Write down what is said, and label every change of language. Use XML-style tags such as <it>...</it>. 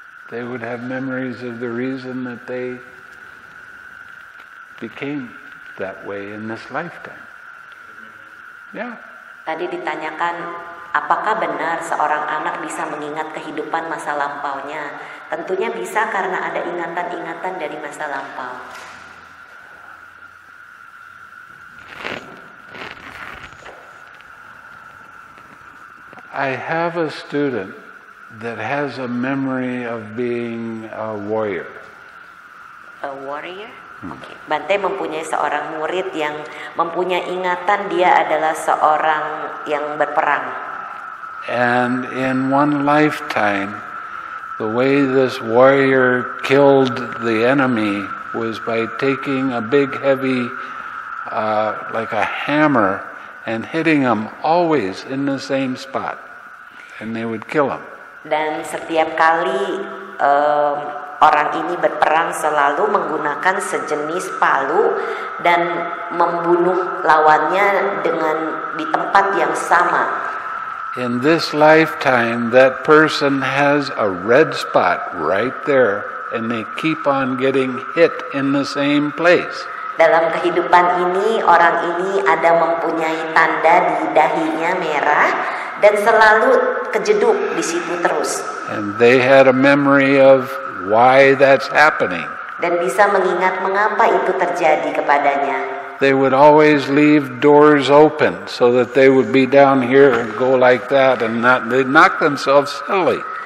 <en>They would have memories of the reason that they became that way in this lifetime. Yeah.</en> <id>Tadi ditanyakan, apakah benar seorang anak bisa mengingat kehidupan masa lampaunya? Tentunya bisa karena ada ingatan-ingatan dari masa lampau.</id> <en>I have a student that has a memory of being a warrior. A warrior? Okay.</en> <id>Bhante mempunyai seorang murid yang mempunyai ingatan dia adalah seorang yang berperang.</id> <en>And in one lifetime, the way this warrior killed the enemy was by taking a big heavy, like a hammer, and hitting him always in the same spot, and they would kill him.</en> <id>Dan setiap kali orang ini berperang selalu menggunakan sejenis palu dan membunuh lawannya dengan di tempat yang sama.</id> <en>In this lifetime, that person has a red spot right there, and they keep on getting hit in the same place.</en> <id>Dalam kehidupan ini, orang ini ada mempunyai tanda di dahinya merah dan selalu kejeduk di situ terus.</id> <en>And they had a memory of why that's happening.</en> <id>Dan bisa mengingat mengapa itu terjadi kepadanya.</id> <en>They would always leave doors open so that they would be down here and go like that and not they'd knock themselves silly.</en>